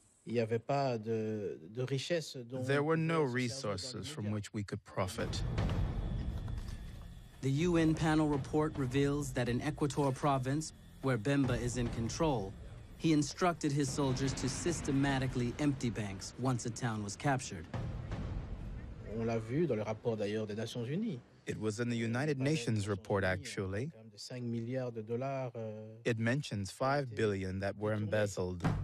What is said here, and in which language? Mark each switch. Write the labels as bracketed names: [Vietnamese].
[English] There were no resources from which we could profit. The UN panel report reveals that in Equator province, where Bemba is in control, he instructed his soldiers to systematically empty banks once a town was captured. [French] On l'a vu dans le rapport d'ailleurs des Nations Unies. [English] It was in the United Nations report, actually. It mentions $5 billion that were embezzled.